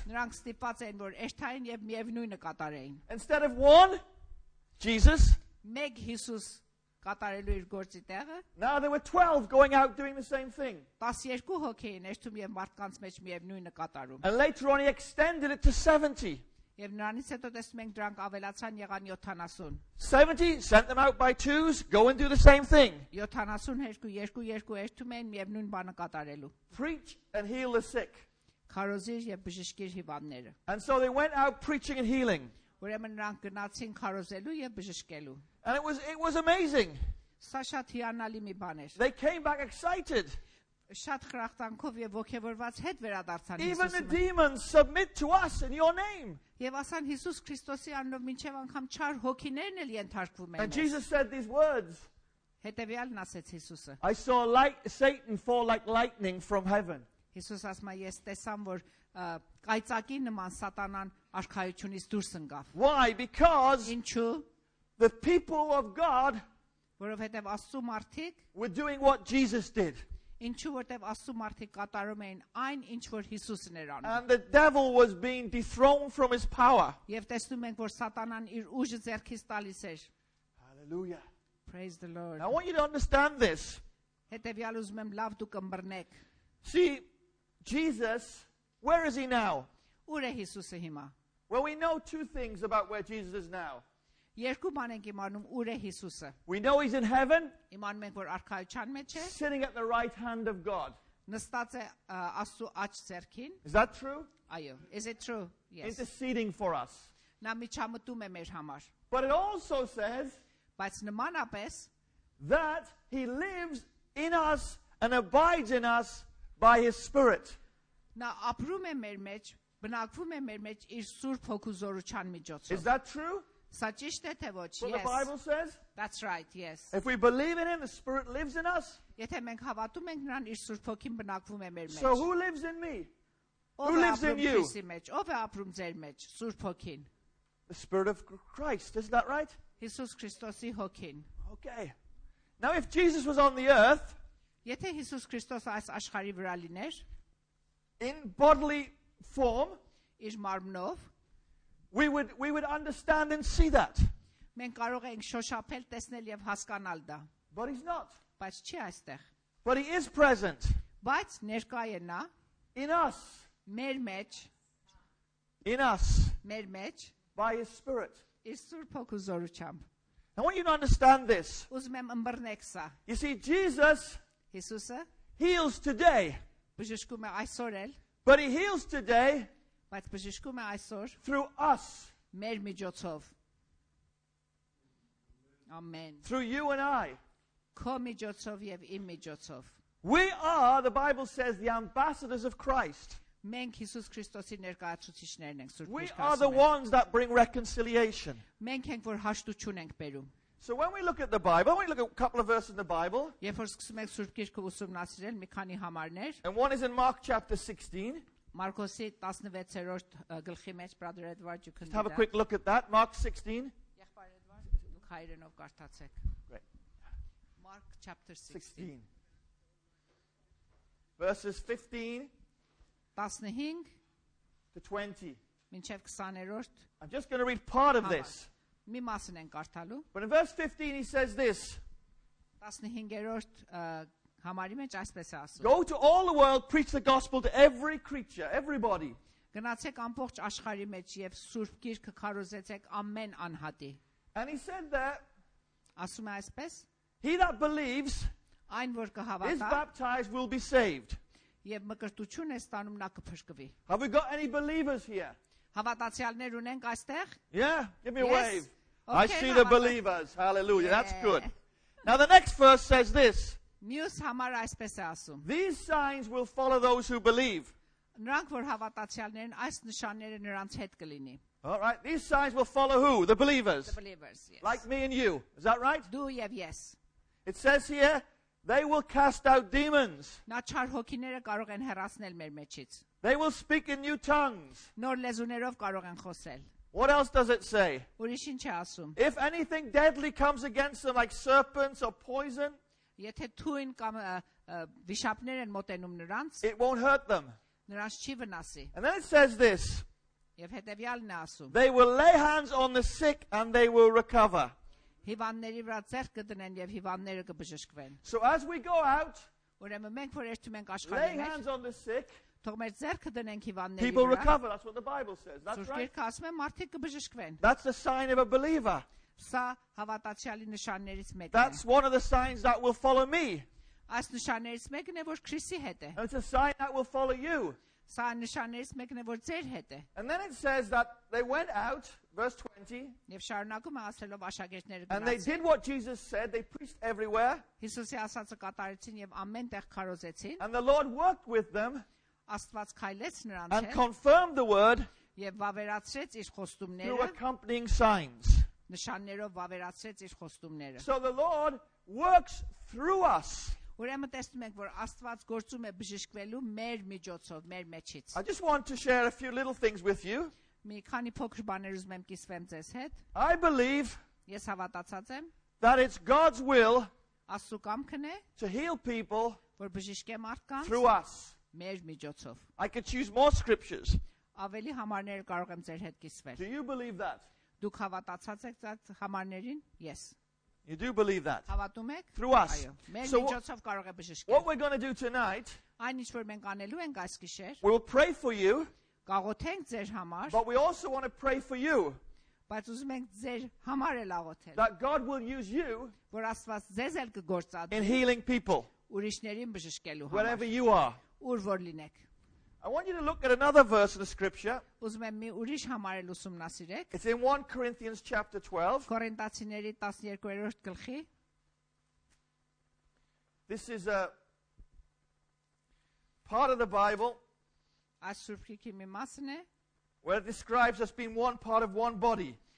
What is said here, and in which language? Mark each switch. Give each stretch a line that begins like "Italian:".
Armenian: Նրանք ստիպած էին, որ աշթային եւ միևնույնը կատարեին։
English: Instead of one Jesus,
Armenian: մեկ Հիսուս կատարելու իր գործի տեղը։
English: Now there were 12 going out doing the same thing.
Armenian: 12 հոգեի ներթում եւ մարդկանց մեջ միևնույնը կատարում։
English: And later on he extended it to 70.
Armenian: Եվ նրանից հետո տեսնում ենք դրանք ավելացան եղան 70.
English: 70 sent them out by twos, go and do the same thing.
Armenian: 72 երկու երկու ներթում էին միևնույն բանը կատարելու։
English: Preach and heal the sick.
Armenian: Քարոզիր եւ բժշկիր հիվանդները։
English: And so they went out preaching and healing.
Armenian: Ուրեմն նրանք գնացին քարոզելու եւ բժշկելու։
English: And it was amazing.
Armenian: Շատ հիանալի մի բան էր։
English: They came back excited.
Armenian: Շատ հրախտանքով եւ ոգևորված հետ վերադարձան Հիսուսին։
English: Even the demons submit to us in your name.
Armenian: Եվ ասան Հիսուս Քրիստոսի անունով մինչև անգամ չար հոգիներն էլ ենթարկվում են։
English: And Jesus said these words.
Armenian: Հետեւյալն ասեց Հիսուսը.
English: I saw like Satan fall like lightning from heaven.
Armenian: Հիսուս ասում է ես տեսամ որ կայծակի նման սատանան արքայությունից դուրս ընկավ։
English: Why? Because
Armenian: Ինչու՞։
English: The people of God
Armenian: որովհետև Աստծո մարդիկ
English: were doing what Jesus did.
Armenian: Ինչու՞ որովհետև Աստծո մարդիկ կատարում էին այն ինչ որ Հիսուսն էր անում։
English: And the devil was being dethroned from his power.
Armenian: Եվ տեսնում ենք որ սատանան իր ուժը ձեռքից տալիս էր։
English: Hallelujah. Praise the Lord. I want you to understand this.
Armenian: Հետևյալ ուզում եմ լավ դուք ըմբռնեք։
English: See Jesus, where is he now?
Armenian: Ո՞ր է Հիսուսը հիմա։
English: Well, we know two things about where Jesus is now.
Armenian: Երկու բան ենք իմանում ուր է Հիսուսը։
English: We know he's in heaven.
Armenian: Իմանում ենք որ արքայության մեջ է։
English: Sitting at the right hand of God.
Armenian: նստած է Աստծո աջ ձեռքին.
English: Is that true?
Armenian: Այո.
English: Is it true? Yes. Interceding for us.
Armenian: Նա միջամտում է մեր համար.
English: But it also says,
Armenian: բայց նմանապես,
English: that he lives in us and abides in us by his spirit.
Armenian: Նա ապրում է մեր մեջ, բնակվում է մեր մեջ իր Սուրբ Հոգուզորության միջոցով.
English: Is that true?
Armenian: Սա ճիշտ է թե ոչ?
English: Yes. The Bible says? That's right, yes. If we believe in him, the spirit lives in us.
Armenian: Եթե մենք հավատում ենք նրան, իր Սուրբ Հոգին բնակվում է մեր մեջ.
English: So who lives in me? Who lives in you?
Armenian: Ով է ապրում ձեր մեջ, Սուրբ Հոգին?
English: The spirit of Christ, is that right?
Armenian: Հիսուս Քրիստոսի Հոգին.
English: Okay. Now if Jesus was on the earth,
Armenian: Եթե Հիսուս Քրիստոսը այս աշխարհի վրա լիներ,
English: in bodily form,
Armenian: իր մարմնով,
English: we would understand and see that.
Armenian: Մենք կարող ենք շոշափել, տեսնել եւ հասկանալ դա.
English: But he's not.
Armenian: Բայց չի այստեղ.
English: But he is present.
Armenian: Բայց ներկա է նա.
English: In us.
Armenian: Մեր մեջ.
English: In us.
Armenian: Մեր մեջ.
English: By his spirit.
Armenian: Իր Սուրբ Հոգուզորությամբ.
English: I want you to understand this.
Armenian: Ուզում եմ ըմբռնեք սա.
English: You see, Jesus,
Armenian: Հիսուսը,
English: heals today.
Armenian: Բժշկում է այսօր էլ.
English: But he heals today.
Armenian: Բայց բժշկում է այսօր.
English: Through us.
Armenian: Մեր միջոցով.
English: Amen. Through you and I.
Armenian: Քո միջոցով եւ իմ միջոցով.
English: We are, the Bible says, the ambassadors of Christ.
Armenian: Մենք Հիսուս Քրիստոսի ներկայացուցիչներն ենք Սուրբ Քրիստոսի։
English: We are the ones that bring reconciliation.
Armenian: Մենք ենք, որ հաշտություն ենք բերում։
English: So when we look at the Bible, when we look at a couple of verses in the Bible.
Armenian: Երբ որ սկսում ենք Սուրբ Գիրքը ուսումնասիրել մի քանի համարներ.
English: And one is in Mark chapter 16.
Armenian: Մարկոսի 16-րդ գլխի մեջ,
English: Brother Edward, you can read. Have a quick look at that, Mark 16.
Armenian: Եղբայր Էդվարդ, դուք հայերենով կարդացեք։
English: Great. Mark chapter 16. Verses 15. 15 to 20.
Armenian: Մինչև 20-րդ.
English: I'm just going to read part of this.
Armenian: Մի մասն ենք կարդալու։
English: But in verse 15 he says this.
Armenian: 15-րդ համարի մեջ այսպես է ասում.
English: Go to all the world, preach the gospel to every creature, everybody.
Armenian: Գնացեք ամբողջ աշխարհի մեջ եւ Սուրբ Գիրքը քարոզեցեք ամեն անհատի։
English: And he said that.
Armenian: Ասում է այսպես.
English: He that believes,
Armenian: այն որ կհավատա,
English: is baptized will be saved.
Armenian: Եվ մկրտություն է ստանում նա կփրկվի։
English: Have we got any believers here?
Armenian: Հավատացյալներ ունենք այստեղ։
English: Yeah, give me a wave. Okay, I see the believers. Hallelujah. Yeah. That's good. Now the next verse says this.
Armenian: Մյուս համար այսպես է ասում.
English: These signs will follow those who believe.
Armenian: Նրանք, որ հավատացյալներ են, այս նշանները նրանց հետ կլինի։
English: All right. These signs will follow who? The believers. The believers, yes. Like me and you. Is that right?
Armenian: Դու եւ ես։
English: It says here they will cast out demons.
Armenian: Նա չար հոգիները կարող են հեռացնել մեր մեջից։
English: They will speak in new tongues.
Armenian: Նոր լեզուներով կարող են խոսել։
English: What else does it say?
Armenian: Ուրիշ ինչ է ասում։
English: If anything deadly comes against them like serpents or poison,
Armenian: Եթե թույն կամ վիշապներ են մոտենում նրանց,
English: it won't hurt them.
Armenian: Նրանց չի վնասի։
English: And then it says this.
Armenian: Եվ հետևյալն է ասում։
English: They will lay hands on the sick and they will recover.
Armenian: Հիվանդների վրա ձեռք կդնեն եւ հիվանդները կբժշկվեն։
English: So as we go out,
Armenian: ուրեմն մենք որ երթում ենք աշխարհի մեջ,
English: lay hands on the sick,
Armenian: թող մեր ձեռքը դնենք հիվանդների վրա։
English: People recover, that's what the Bible says. That's right.
Armenian: Ձեռքը ասում է մարդիկ կբժշկվեն։
English: That's the sign of a believer.
Armenian: Սա հավատացյալի նշաններից մեկն է։
English: That's one of the signs that will follow me.
Armenian: Այս նշաններից մեկն է, որ Քրիսի հետ է։
English: It's a sign that will follow you.
Armenian: Սա նշաններից մեկն է, որ ձեր հետ է։
English: And then it says that they went out, verse 20.
Armenian: Եվ շարունակում է ասելով աշակերտները գնացին։
English: And they did what Jesus said, they preached everywhere.
Armenian: Հիսուսի ասածը կատարեցին եւ ամենտեղ քարոզեցին։
English: And the Lord worked with them.
Armenian: Աստված քայլեց նրանց հետ։
English: And confirmed the word.
Armenian: Եւ վավերացրեց իր խոստումները։
English: Through accompanying signs.
Armenian: Նշաններով վավերացրեց իր խոստումները։
English: So the Lord works through us.
Armenian: Ուրեմն տեսնում ենք, որ Աստված գործում է բժշկվելու մեր միջոցով, մեր մեջից։
English: I just want to share a few little things with you.
Armenian: Մի քանի փոքր բաներ ուզում եմ կիսվեմ ձեզ հետ։
English: I believe.
Armenian: Ես հավատացած եմ։
English: That it's God's will.
Armenian: Աստծո կամքն է։
English: To heal people.
Armenian: Որ բժշկե մարդկանց։
English: Through us.
Armenian: Մեր միջոցով։
English: I could choose more scriptures.
Armenian: Ավելի համարներ կարող եմ ձեր հետ կիսվել։
English: Do you believe that?
Armenian: Դուք հավատացած եք այդ համարներին?
English: Yes. You do believe that?
Armenian: Հավատում եք?
English: Through us.
Armenian: Մեր միջոցով կարող է բժշկել։
English: What we're going to do tonight?
Armenian: Այն ինչ որ մենք անելու ենք այս գիշեր։
English: We will pray for you.
Armenian: Կաղոթենք ձեր համար։
English: But we also want to pray for you.
Armenian: Բայց ուզում ենք ձեր համար էլ աղոթել։
English: That God will use you.
Armenian: Որ Աստված ձեզ էլ կգործածի։
English: In healing people.
Armenian: ուրիշներին բժշկելու համար.
English: Wherever you are.
Armenian: Ուր որ լինեք.
English: I want you to look at another verse in the scripture.
Armenian: Ուզում եմ մի ուրիշ համարել ուսումնասիրեք.
English: It's in 1 Corinthians chapter 12.
Armenian: Կորինթացիների 12-րդ գլխի.
English: This is a part of the Bible.
Armenian: Այս սուրբքի մի մասն է.
English: Where it describes us being one part of one body.